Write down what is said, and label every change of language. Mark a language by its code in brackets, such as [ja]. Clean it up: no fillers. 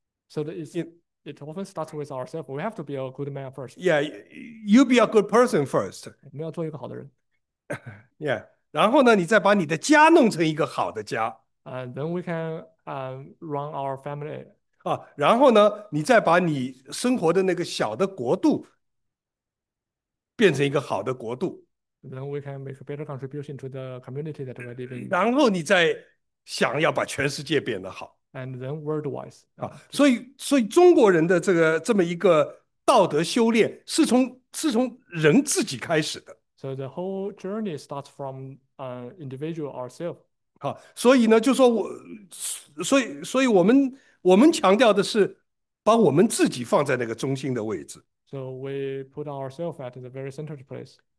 [en] So it often starts with ourselves. We have to be a good man first. Yeah, you be a good person first. [zh] 我们要做一个好的人。 Yeah，然后呢，你再把你的家弄成一个好的家。 [en] Then we can run our family. [zh] 啊，然后呢，你再把你生活的那个小的国度变成一个好的国度， [en] Then we can make a better contribution to the community that we're living [zh] 然后你再想要把全世界变得好。 [en] in. And then worldwide. [zh] 啊，所以中国人的这么一个道德修炼是从人自己开始的。 [en] So the whole journey starts from an individual ourselves. [zh] 好，所以呢，就说我，所以我们强调的是，把我们自己放在那个中心的位置， [en] So we put ourselves at the very centered place.